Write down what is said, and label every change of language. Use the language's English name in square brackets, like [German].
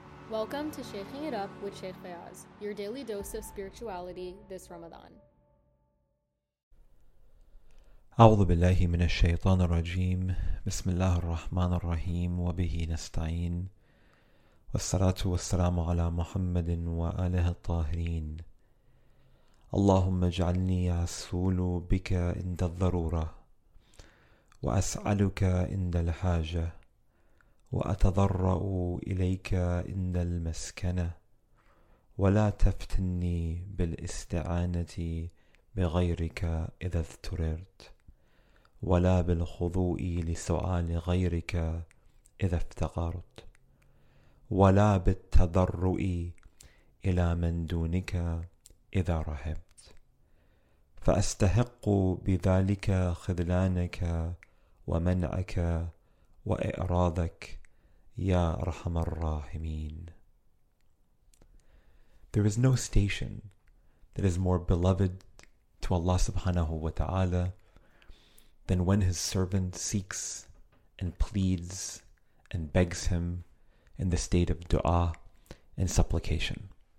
[English] Welcome to Shaking It Up with Sheikh Fayaz, your daily dose of spirituality this Ramadan. [Arabic] أعوذ بالله من الشيطان الرجيم بسم الله الرحمن الرحيم وبه نستعين والصلاة والسلام على محمد وآله الطاهرين اللهم اجعلني أسول بك عند الضرورة وأسألك عند الحاجة وأتضرأ إليك عند المسكنة ولا تفتني بالاستعانة بغيرك إذا اضطررت ولا بالخضوع لسؤال غيرك إذا افتقرت ولا بالتضرع إلى من دونك إذا رحبت فأستحق بذلك خذلانك ومنعك وإعراضك يا رحم الراحمين. [English] There is no station that is more beloved to Allah subhanahu wa ta'ala than when his servant seeks and pleads and begs him in the state of dua and supplication.